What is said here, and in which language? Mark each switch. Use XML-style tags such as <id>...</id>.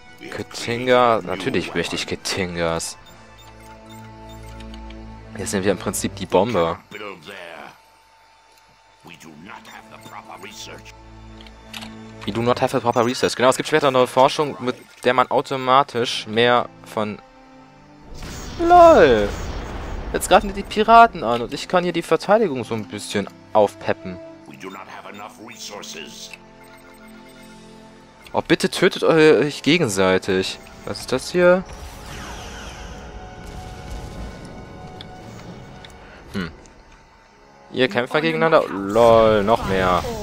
<de>Katinga, natürlich möchte ich Katingas. Hier sind wir im Prinzip die Bombe.</de> <en>We do not have a proper research.</en> <de>Genau, es gibt später neue Forschung, mit der man automatisch mehr von... LOL! Jetzt greifen die Piraten an und ich kann hier die Verteidigung so ein bisschen aufpeppen.</de> <en>We do not have enough resources.</en> <de>Oh, bitte tötet euch gegenseitig. Was ist das hier? Ihr Kämpfer gegeneinander? LOL, noch mehr.</de>